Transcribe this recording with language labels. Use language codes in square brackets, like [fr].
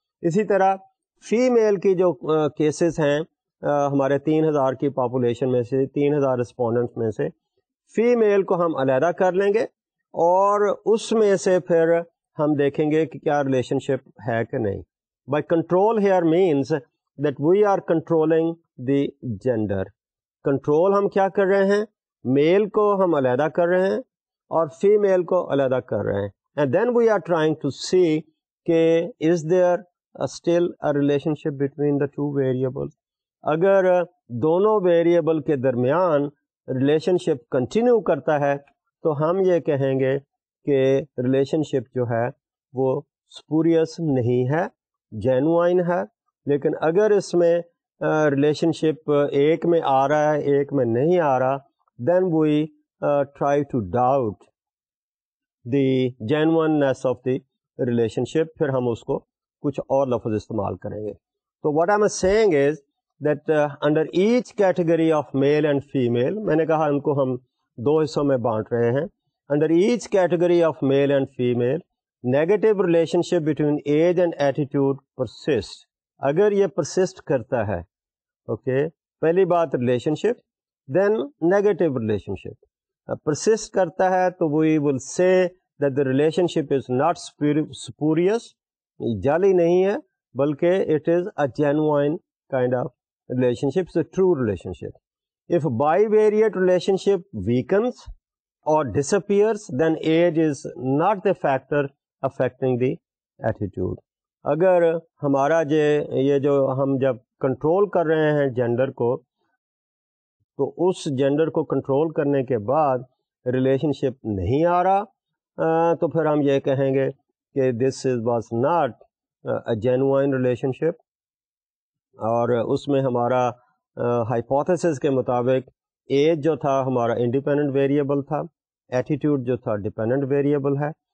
[ur] اسی طرح فی میل کی جو کیسز ہیں ہمارے 3000 کی پاپولیشن میں سے, 3000 رسپونڈنٹ میں سے فی میل کو ہم علیحدہ کر لیں گے اور اس میں سے پھر ہم دیکھیں گے کہ کیا ریلیشن شپ ہے کہ نہیں. [en] By control here means that we are controlling the gender. [ur] Control ہم کیا کر رہے ہیں, میل کو ہم علیحدہ کر رہے ہیں اور فی میل کو علیحدہ کر رہے ہیں. [en] And then we are trying to see کہ is there still a relationship between the two variable. [ur] اگر دونوں ویریبل کے درمیان ریلیشن شپ کنٹینیو کرتا ہے تو ہم یہ کہیں گے کہ ریلیشن شپ جو ہے وہ سپوریس نہیں ہے, جینوائن ہے. لیکن اگر اس میں ریلیشن شپ ایک میں آ رہا ہے ایک میں نہیں آ رہا, [en] then we try to doubt the genuineness of the relationship. [ur] پھر ہم اس کو کچھ اور لفظ استعمال کریں گے. تو [en] what I'm saying is that under each category of male and female, [ur] میں نے کہا ان کو ہم دو حصوں میں بانٹ رہے ہیں. [en] Under each category of male and female, negative relationship between age and attitude persists. [ur] اگر یہ persist کرتا ہے, okay, پہلی بات relationship, [en] then negative relationship. Persist [ur] کرتا ہے تو [en] we will say that the relationship is not spurious, [ur] جعلی نہیں ہے, بلکہ [en] it is a genuine kind of relationship, it's a true relationship. If bivariate relationship weakens or disappears, then age is not the factor affecting the attitude. [ur] اگر ہمارا جو یہ جو ہم جب کنٹرول کر رہے ہیں جینڈر کو, تو اس جینڈر کو کنٹرول کرنے کے بعد ریلیشن شپ نہیں آ رہا, تو پھر ہم یہ کہیں گے کہ [en] this is was not a genuine relationship, [ur] اور اس میں ہمارا ہائپوتھیسس کے مطابق ایج جو تھا ہمارا انڈیپینڈنٹ ویریبل تھا, ایٹیٹیوڈ جو تھا ڈیپینڈنٹ ویریبل ہے.